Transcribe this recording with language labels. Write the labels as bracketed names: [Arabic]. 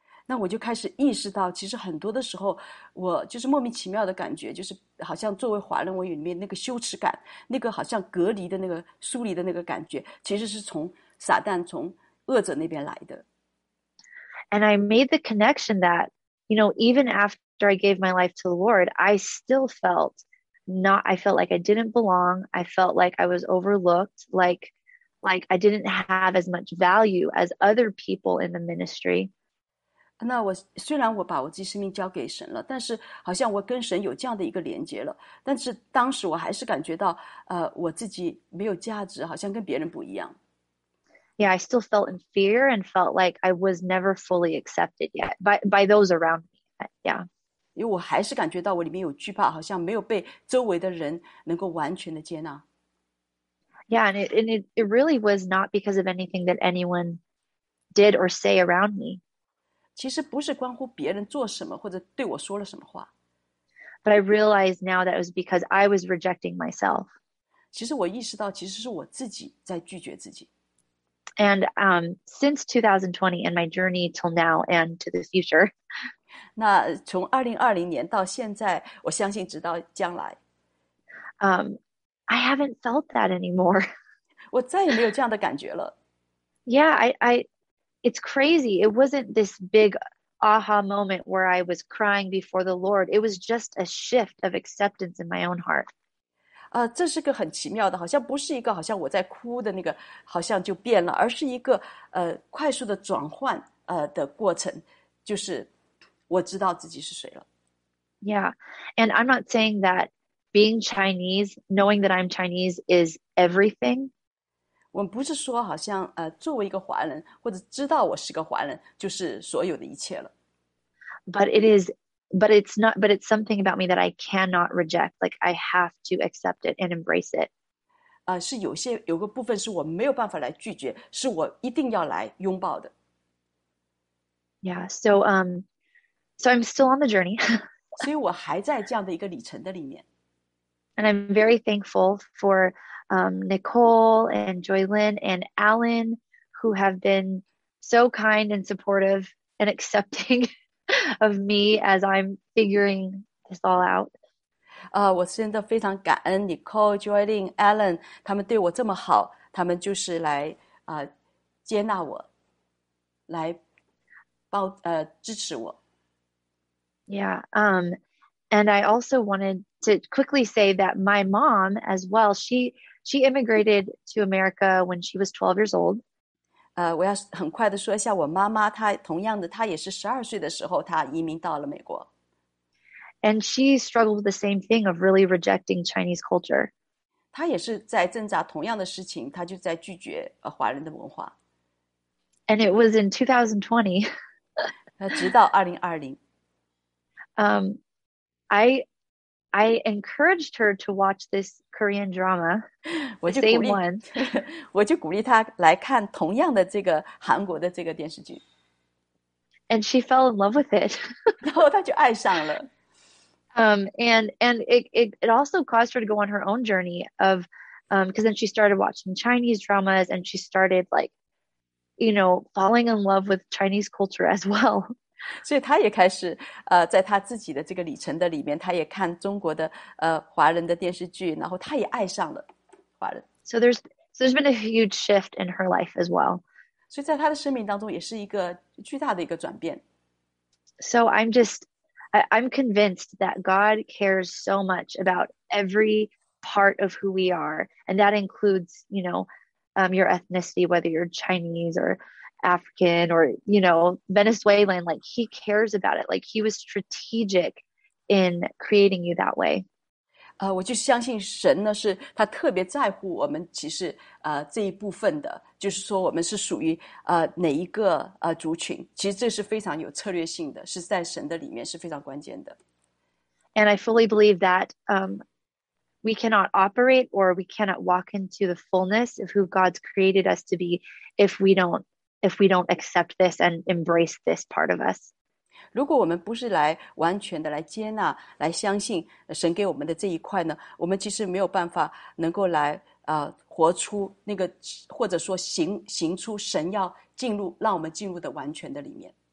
[Chinese] 那我就开始意识到，其实很多的时候，我就是莫名其妙的感觉，就是好像作为华人，我里面那个羞耻感，那个好像隔离的那个疏离的那个感觉，其实是从撒旦从恶者那边来的。 [English] And I made the connection that, you know, even after I gave my life to the Lord, I still felt not, I felt like I didn't belong. I felt like I was overlooked, like I didn't have as much value as other people in the ministry. [Chinese] 那我虽然我把我自己生命交给神了，但是好像我跟神有这样的一个连接了，但是当时我还是感觉到我自己没有价值，好像跟别人不一样。 [English] Yeah, I still felt in fear and felt like I was never fully accepted yet by those around me. Yeah. [Chinese] 因为我还是感觉到我里面有惧怕，好像没有被周围的人能够完全的接纳。 [English] Yeah, and it really was not because of anything that anyone did or say around me. [Chinese] 其实不是关乎别人做什么或者对我说了什么话。 [English] But I realized now that it was because I was rejecting myself. [Chinese] 其实我意识到其实是我自己在拒绝自己。 [English] And since 2020 and my journey till now and to the future. [Chinese] 那从2020年到现在，我相信直到将来。 [English] I haven't felt that anymore. [Chinese] 我再也没有这样的感觉了。 [English] Yeah, it's crazy. It wasn't this big aha moment where I was crying before the Lord. It was just a shift of acceptance in my own heart. [Chinese] 这是个很奇妙的，好像不是一个好像我在哭的那个好像就变了，而是一个快速的转换的过程，就是我知道自己是谁了。 [English] Yeah, and I'm not saying that being Chinese, knowing that I'm Chinese is everything. [Chinese] 我们不是说好像作为一个华人或者知道我是个华人就是所有的一切了。 [English] But it's something about me that I cannot reject. Like I have to accept it and embrace it. [Chinese] 是有个部分是我没有办法来拒绝，是我一定要来拥抱的。 [English] Yeah. So I'm still on the journey. [Chinese] 所以我还在这样的一个旅程的里面。 [English] And I'm very thankful for Nicole and Joylyn and Alan, who have been so kind and supportive and accepting. of me as I'm figuring this all out. [Chinese] 我真的非常感恩 Nicole, Joylyn, Alan, 他们对我这么好，他们就是来接纳我，来包支持我。 [English] Yeah, and I also wanted to quickly say that my mom as well, she immigrated to America when she was 12 years old. [Chinese] 我要很快的说一下我妈妈，她同样的，她也是12岁的时候，她移民到了美国。 [English] And she struggled with the same thing of really rejecting Chinese culture. [Chinese] 她也是在挣扎同样的事情，她就在拒绝华人的文化。 [English] And it was in 2020. [Chinese] 直到2020. [English] I encouraged her to watch this Korean drama, the same one. [Chinese] 我就鼓励她来看同样的这个韩国的这个电视剧。 [English] And she fell in love with it. [Chinese] 然后她就爱上了。 [English] And it also caused her to go on her own journey of, because then she started watching Chinese dramas and she started like, you know, falling in love with Chinese culture as well. [Chinese] 所以他也开始在他自己的这个旅程的里面，他也看中国的华人的电视剧，然后他也爱上了华人。 [English] So there's been a huge shift in her life as well. [Chinese] 所以在他的生命当中也是一个巨大的一个转变。 [English] So I'm convinced that God cares so much about every part of who we are, and that includes, you know, your ethnicity, whether you're Chinese or African or, you know, Venezuelan, like he cares about it. Like he was strategic in creating you that way. [Chinese] 我就相信神呢，是他特别在乎我们其实这一部分的，就是说我们是属于哪一个族群。其实这是非常有策略性的，是在神的里面是非常关键的。 [English] And I fully believe that we cannot operate or we cannot walk into the fullness of who God's created us to be if we don't accept this and embrace this part of us. [Chinese] 如果我们不是来完全的来接纳，来相信神给我们的这一块呢，我们其实没有办法能够来活出那个，或者说行出神要进入，让我们进入的完全的里面。